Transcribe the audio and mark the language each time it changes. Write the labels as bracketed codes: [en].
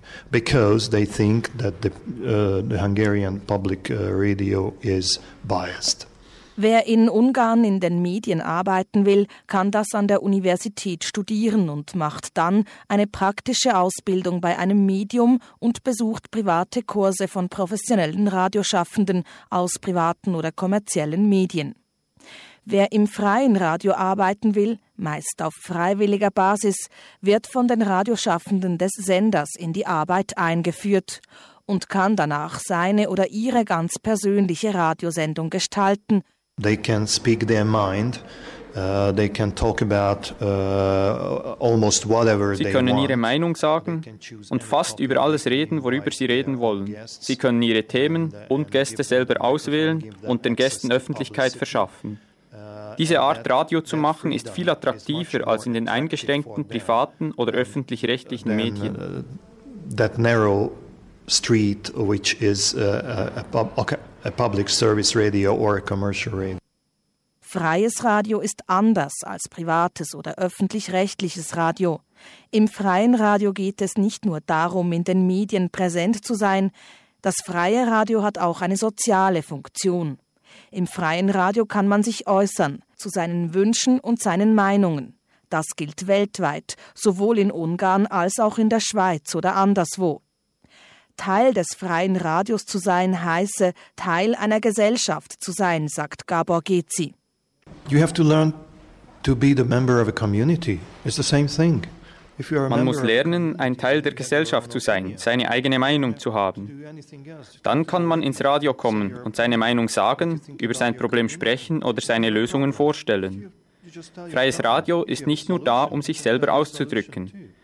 [en] Because they think that the Hungarian public radio is biased. [de] Wer in Ungarn in den Medien arbeiten will, kann das an der Universität studieren und macht dann eine praktische Ausbildung bei einem Medium und besucht private Kurse von professionellen Radioschaffenden aus privaten oder kommerziellen Medien. Wer im freien Radio arbeiten will, meist auf freiwilliger Basis, wird von den Radioschaffenden des Senders in die Arbeit eingeführt und kann danach seine oder ihre ganz persönliche Radiosendung gestalten. [en] They can speak their mind. They can talk about almost whatever. [de] Sie können ihre Meinung sagen und fast über alles reden, worüber sie reden wollen. Sie können ihre Themen und Gäste selber auswählen und den Gästen Öffentlichkeit verschaffen. Diese Art Radio zu machen ist viel attraktiver als in den eingeschränkten privaten oder öffentlich-rechtlichen Medien. [en] That narrow street, which is a public service radio or a commercial radio. [de] Freies Radio ist anders als privates oder öffentlich-rechtliches Radio. Im freien Radio geht es nicht nur darum, in den Medien präsent zu sein. Das freie Radio hat auch eine soziale Funktion. Im freien Radio kann man sich äußern, zu seinen Wünschen und seinen Meinungen. Das gilt weltweit, sowohl in Ungarn als auch in der Schweiz oder anderswo. Teil des freien Radios zu sein heiße, Teil einer Gesellschaft zu sein, sagt Gábor Géczi. [en] You have to learn to be the member of a community. It's the same thing. [de] Man muss lernen, ein Teil der Gesellschaft zu sein, seine eigene Meinung zu haben. Dann kann man ins Radio kommen und seine Meinung sagen, über sein Problem sprechen oder seine Lösungen vorstellen. Freies Radio ist nicht nur da, um sich selber auszudrücken.